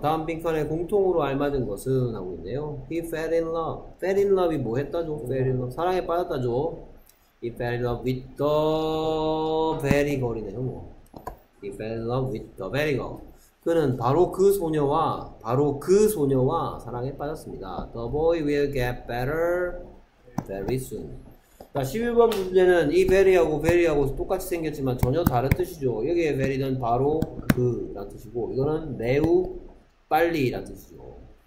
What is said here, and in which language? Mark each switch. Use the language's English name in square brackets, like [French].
[Korean] 다음 빈칸에 공통으로 알맞은 것은 하고 있네요. [English] He fell in love. Fell in love이 [Korean] 뭐 했다죠? [English] Fell in love. [Korean] 사랑에 빠졌다죠? [English] He fell in love with the very girl이네요. 뭐. He fell in love with the very girl. [Korean] 그는 바로 그 소녀와, 바로 그 소녀와 사랑에 빠졌습니다. [English] The boy will get better very soon. [Korean] 자, 11번 문제는 이 베리하고 베리하고 똑같이 생겼지만 전혀 다른 뜻이죠. 여기에 베리는 바로 그 라는 뜻이고, 이거는 매우 빨리 라는 뜻이죠.